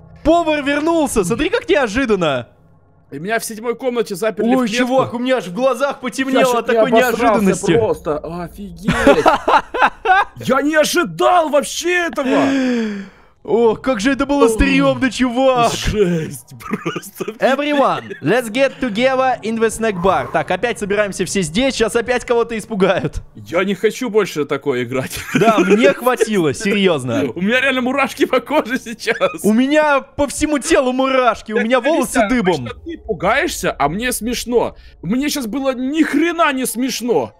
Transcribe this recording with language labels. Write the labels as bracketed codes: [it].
[ru] Повар вернулся, смотри, как неожиданно. И меня в 7-й комнате заперли. Ой, в клетку. Чувак, у меня аж в глазах потемнело от такой неожиданности. Я просто, офигеть. Я не ожидал вообще этого. Ох, как же это было стрёмно, чувак. Жесть, просто. [en] Everyone, let's get together in the snack bar. [ru] Так, опять собираемся все здесь, сейчас опять кого-то испугают. Я не хочу больше такое играть. Да, мне хватило, серьезно. У меня реально мурашки по коже сейчас. У меня по всему телу мурашки, у меня волосы дыбом. Ты пугаешься, а мне смешно. Мне сейчас было ни хрена не смешно.